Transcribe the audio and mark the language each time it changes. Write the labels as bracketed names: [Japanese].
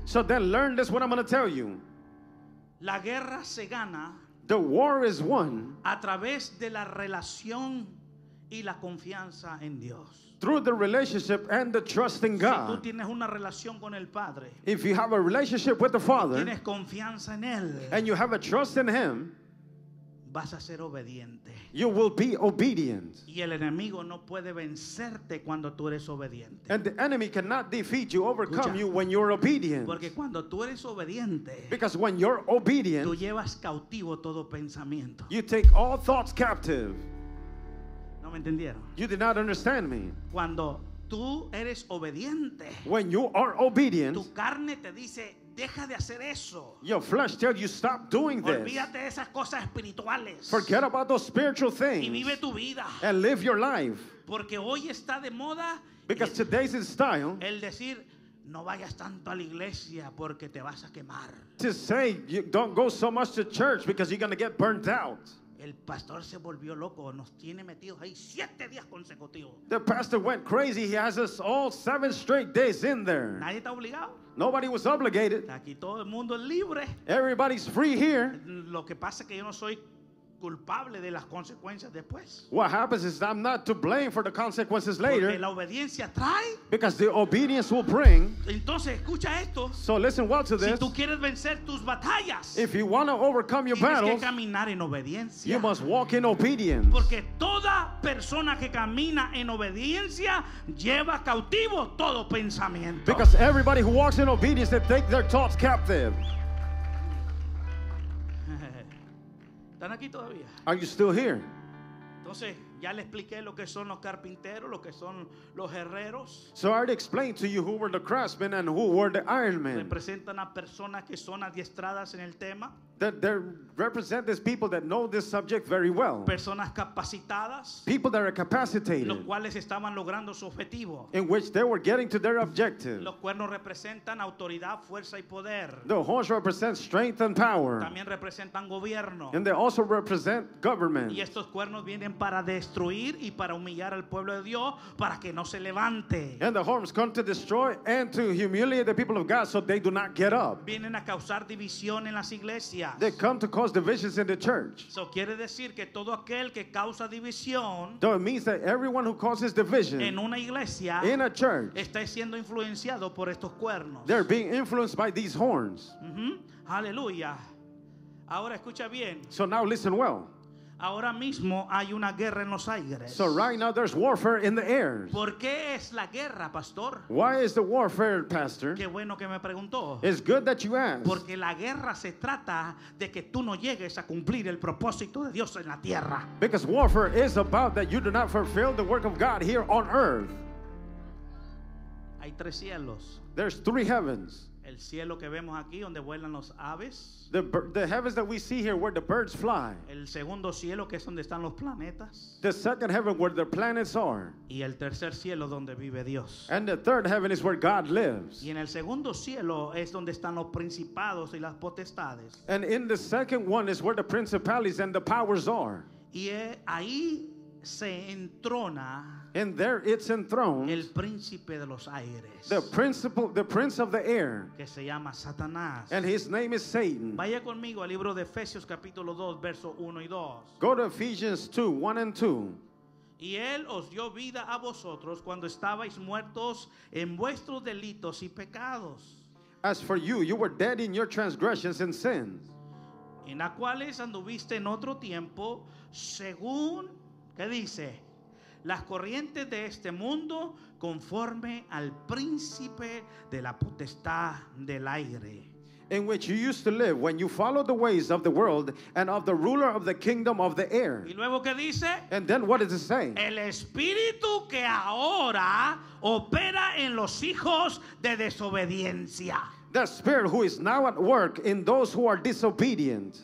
[English] So then learn this, what I'm going to tell you. [Spanish] La guerra se gana. [English] The war is won. [Spanish] A través de la relación y la confianza en Dios. [English] Through the relationship and the trust in God. [Spanish] Si tú tienes una relación con el Padre, [English] if you have a relationship with the Father, [Spanish] tienes confianza en él, [English] and you have a trust in Him, [Spanish] vas a ser obediente. [English] You will be obedient. [Spanish] Y el enemigo no puede vencerte cuando tú eres obediente. [English] And the enemy cannot defeat you, overcome [Spanish] Escucha, [English] you when you're obedient. [Spanish] Porque cuando tú eres obediente, [English] because when you're obedient, [Spanish] tú llevas cautivo todo pensamiento. [English] You take all thoughts captive. [Spanish] No me entendieron. [English] You did not understand me. [Spanish] Cuando tú eres obediente, [English] when you are obedient, [Spanish] tu carne te dice, deja de hacer eso. [English] Your flesh tells you stop doing [Spanish] Olvídate [English] this. [Spanish] Olvídate de esas cosas espirituales. [English] Forget about those spiritual things. [Spanish] Y vive tu vida. [English] And live your life. [Spanish] Porque hoy está de moda. [English] Because today's in style. [Spanish] El decir, no vayas tanto a la iglesia porque te vas a quemar. [English] To say you don't go so much to church because you're going to get burnt out. [Spanish] El pastor se volvió loco, nos tiene metidos ahí 7 días consecutivos. [English] The pastor went crazy, he has us all 7 straight days in there. [Spanish] Nadie está obligado. [English] Nobody was obligated. [Spanish] Aquí todo el mundo es libre. [English] Everybody's free here. [Spanish] Lo que pasa es que yo no soy culpable de las consecuencias después. [English] What happens is I'm not to blame for the consequences later. [Spanish] Porque la obediencia trae. [English] Because the obedience will bring. [Spanish] Entonces escucha esto. [English] So listen well to this. [Spanish] Si tú quieres vencer tus batallas, [English] if you want to overcome your [Spanish] tienes [English] battles, [Spanish] que caminar en obediencia. [English] You must walk in obedience. [Spanish] Porque toda persona que camina en obediencia lleva cautivo todo pensamiento. [English] Because everybody who walks in obedience, they take their thoughts captive. [Spanish] ¿Están aquí todavía? [English] Are you still here? [Spanish] Entonces, ya le expliqué lo que son los carpinteros, lo que son los herreros. [English] So I already explained to you who were the craftsmen and who were the iron men. [Spanish] Representan a personas que son adiestradas en el tema. [English] They represent these people that know this subject very well. [Spanish] Personas capacitadas. [English] People that are capacitated. [Spanish] Los cuales estaban logrando su objetivo. [English] In which they were getting to their objective. [Spanish] Los cuernos representan autoridad, fuerza y poder. [English] The horns represent strength and power. [Spanish] También representan gobierno. [English] And they also represent government. [Spanish] Y estos cuernos vienen para destruir y para humillar al pueblo de Dios para que no se levante. [English] And the horns come to destroy and to humiliate the people of God so they do not get up. [Spanish] Vienen a causar división en las iglesias. [English] They come to cause divisions in the church. [Spanish] So quiere decir que todo aquel que causa división, [English] so it means that everyone who causes division [Spanish] en una iglesia, [English] in a church, [Spanish] está siendo influenciado por estos cuernos. [English] They're being influenced by these horns. [Spanish] Mm-hmm. Hallelujah. Ahora escucha bien. [English] So now listen well. [Spanish] Ahora mismo hay una guerra en los aires. [English] So right now there's warfare in the air. [Spanish] ¿Por qué es la guerra, pastor? [English] Why is the warfare, pastor? [Spanish] Qué bueno que me preguntó. [English] It's good that you asked. [Spanish] Porque la guerra se trata de que tú no llegues a cumplir el propósito de Dios en la tierra. [English] Because warfare is about that you do not fulfill the work of God here on earth. [Spanish] Hay tres cielos. [English] There's three heavens. [Spanish] El cielo que vemos aquí donde vuelan los aves. [English] The heavens that we see here where the birds fly. [Spanish] El segundo cielo que es donde están los planetas. [English] The second heaven where the planets are. [Spanish] Y el tercer cielo donde vive Dios. [English] And the third heaven is where God lives. [Spanish] Y en el segundo cielo es donde están los principados y las potestades. [English] And in the second one is where the principalities and the powers are. [Spanish] Y ahí se entrona. [English] And there it's enthroned. [Spanish] El príncipe de los aires. [English] The prince of the air. [Spanish] Que se llama Satanás. [English] And his name is Satan. [Spanish] Vaya conmigo al libro de Efesios capítulo 2, verso 1 y 2. [English] Go to Ephesians 2, 1 and 2. [Spanish] Y él os dio vida a vosotros cuando estabais muertos en vuestros delitos y pecados. [English] As for you, you were dead in your transgressions and sins. [Spanish] En las cuales anduviste en otro tiempo, según, ¿qué dice? Las corrientes de este mundo conforme al príncipe de la potestad del aire. [English] in which you used to live when you followed the ways of the world and of the ruler of the kingdom of the air. [Spanish] ¿Y luego qué dice? [English] And then what does it say? [Spanish] El espíritu que ahora opera en los hijos de desobediencia. [English] The spirit who is now at work in those who are disobedient.